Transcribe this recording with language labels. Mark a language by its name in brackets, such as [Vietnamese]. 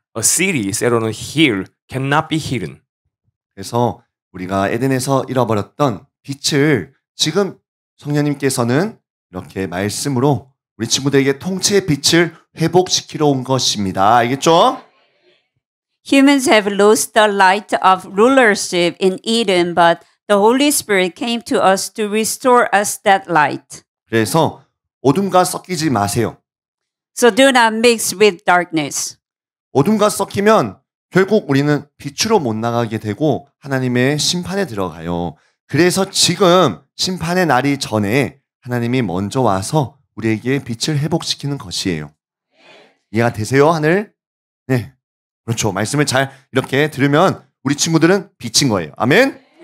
[English] A city set on a hill cannot be hidden. [Korean] 그래서 우리가 에덴에서 잃어버렸던 빛을 지금 성령님께서는 이렇게 말씀으로 우리 친구들에게 통치의 빛을 회복시키러 온 것입니다. 알겠죠? [English] Humans have lost the light of rulership in Eden, but the Holy Spirit came to us to restore us that light. [Korean] 그래서 어둠과 섞이지 마세요. [English] So do not mix with darkness. [Korean] 어둠과 섞이면 결국 우리는 빛으로 못 나가게 되고 하나님의 심판에 들어가요. 그래서 지금 심판의 날이 전에 하나님이 먼저 와서 우리에게 빛을 회복시키는 것이에요. 이해가 되세요, 하늘? 네. 그렇죠. 말씀을 잘 이렇게 들으면 우리 친구들은 빛인 거예요. 아멘.